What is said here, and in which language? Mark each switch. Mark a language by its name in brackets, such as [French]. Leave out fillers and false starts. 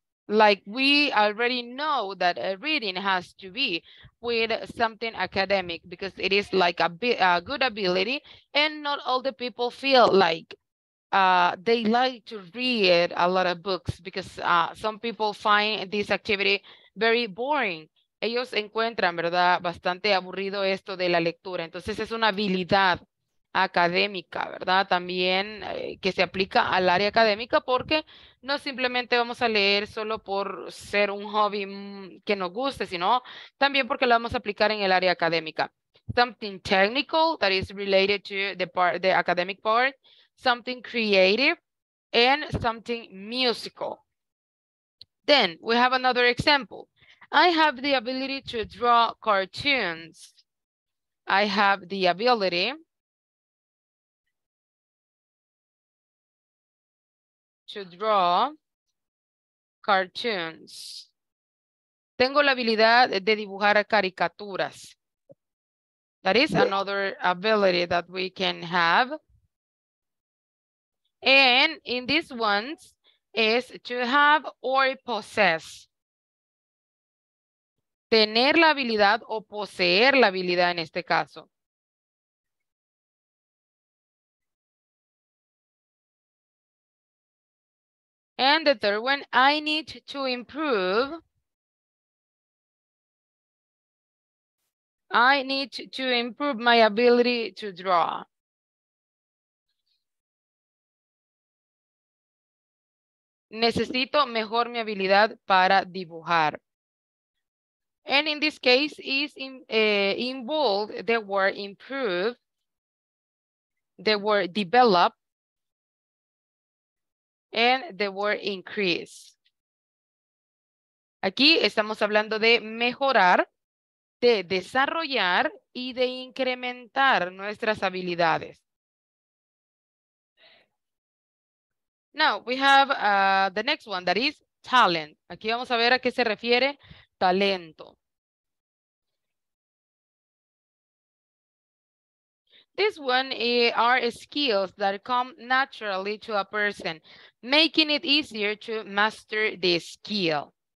[English] like we already know that a reading has to be with something academic because it is like a good ability, and not all the people feel like they like to read a lot of books because some people find this activity very boring. [Spanish] Ellos encuentran, ¿verdad?, bastante aburrido esto de la lectura. Entonces es una habilidad académica, ¿verdad? También que se aplica al área académica, porque no simplemente vamos a leer solo por ser un hobby que nos guste, sino también porque lo vamos a aplicar en el área académica. [English] Something technical that is related to the academic part, something creative, and something musical. Then we have another example. I have the ability to draw cartoons. I have the ability to draw cartoons. [Spanish] Tengo la habilidad de dibujar caricaturas. [English] That is another ability that we can have. And in these ones is to have or possess. [Spanish] Tener la habilidad o poseer la habilidad en este caso. [English] And the third one, I need to improve. I need to improve my ability to draw. [Spanish] Necesito mejor mi habilidad para dibujar. [English] And in this case, is involved the word improve, the word develop, and the word increase. [Spanish] Aquí estamos hablando de mejorar, de desarrollar y de incrementar nuestras habilidades. [English] Now we have the next one, that is talent. [Spanish] Aquí vamos a ver a qué se refiere talento. [English] This one are skills that come naturally to a person, making it easier to master the skill.